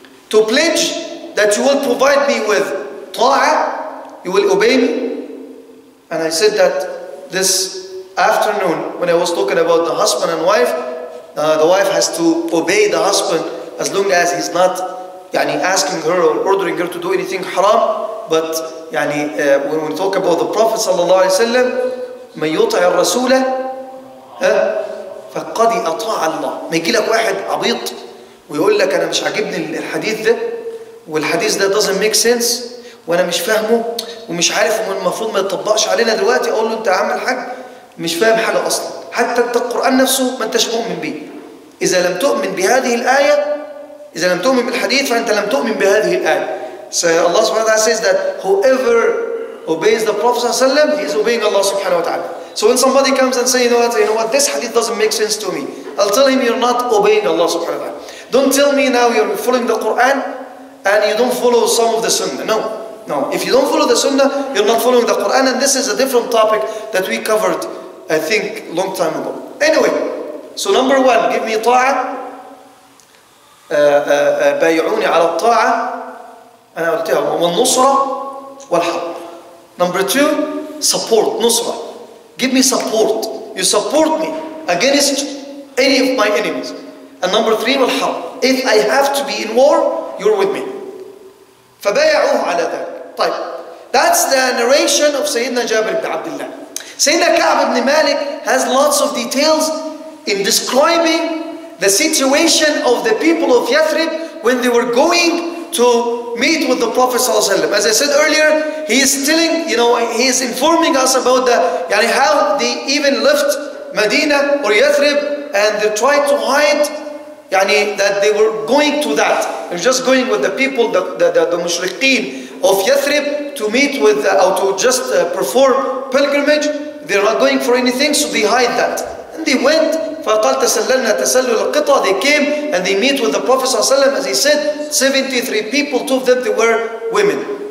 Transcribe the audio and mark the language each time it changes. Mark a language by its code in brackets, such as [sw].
[en] To pledge that you will provide me with ta'a, you will obey me. And I said that this afternoon when I was talking about the husband and wife, the wife has to obey the husband as long as he's not يعني asking her or ordering her to do anything haram. But يعني when we talk about the Prophet صلى الله عليه وسلم, [ar] من يطع الرسول فقد أطاع الله. ما يجي لك واحد عبيط ويقول لك أنا مش عاجبني الحديث ده والحديث ده [en] doesn't make sense [ar] وأنا مش فاهمه ومش عارف ومن المفروض ما يطبقش علينا دلوقتي, أقول له أنت عامل حاجة مش فاهم حاجة أصلا, حتى أنت القرآن نفسه ما أنتش مؤمن به. إذا لم تؤمن بهذه الآية, إذا لم تؤمن بالحديث فأنت لم تؤمن بهذه الآية. [en] So Allah سبحانه وتعالى says that whoever obeys the Prophet صلى الله عليه وسلم, he is obeying Allah سبحانه وتعالى. So when somebody comes and says, you know what, this hadith doesn't make sense to me, I'll tell him you're not obeying Allah سبحانه وتعالى. Don't tell me now you're following the Quran and you don't follow some of the Sunnah. No. If you don't follow the Sunnah, you're not following the Quran. And this is a different topic that we covered, I think, long time ago. Anyway, so number one, give me ta'a. [ar] بايعوني على الطاعة أنا قلتها والنصرة والحرب. [en] Number two, support, نصرة. Give me support. You support me against any of my enemies. And number three, والحرب. If I have to be in war, you're with me. [ar] فبايعوه على ذلك. طيب. [en] That's the narration of Sayyidina Jabir ibn Abdullah. Sayyidina Ka'b ibn Malik has lots of details in describing the situation of the people of Yathrib when they were going to meet with the Prophet Sallallahu Alaihi Wasallam. As I said earlier, he is telling, you know, he is informing us about the, yani how they even left Medina or Yathrib and they tried to hide, yani that they were going to that. They're just going with the people, the mushrikeen of Yathrib to meet with, or to just perform pilgrimage. They're not going for anything, so they hide that. And they went, [ar] فَقَالْ تَسَلَّلْنَا تَسَلُّ الْقِطَى. [en] They came and they meet with the Prophet ﷺ. As he said, 73 people, two of them, they were women.